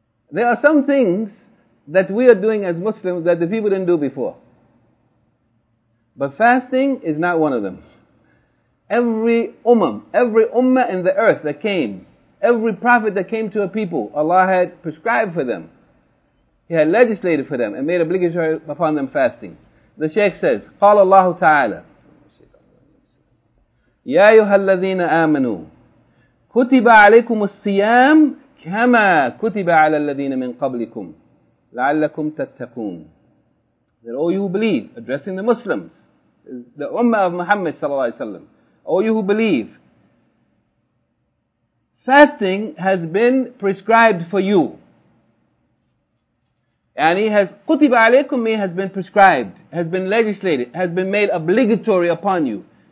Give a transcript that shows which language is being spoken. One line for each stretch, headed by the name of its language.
English: There are some things that we are doing as Muslims that the people didn't do before. But fasting is not one of them. Every ummah in the earth that came, every prophet that came to a people, Allah had prescribed for them. He had legislated for them and made obligatory upon them fasting. The Shaykh says,
Arabic: قال الله تعالى يا أيها الذين آمنوا كتب عليكم الصيام كما كتب على الذين من قبلكم لعلكم تتقون.
English: That, O you who believe, addressing the Muslims, the ummah of Muhammad sallallahu alaihi wasallam, O you who believe, fasting has been prescribed for you. And it has,
Arabic: kutiba alaykum,
English: it has been prescribed, has been legislated, has been made obligatory upon you.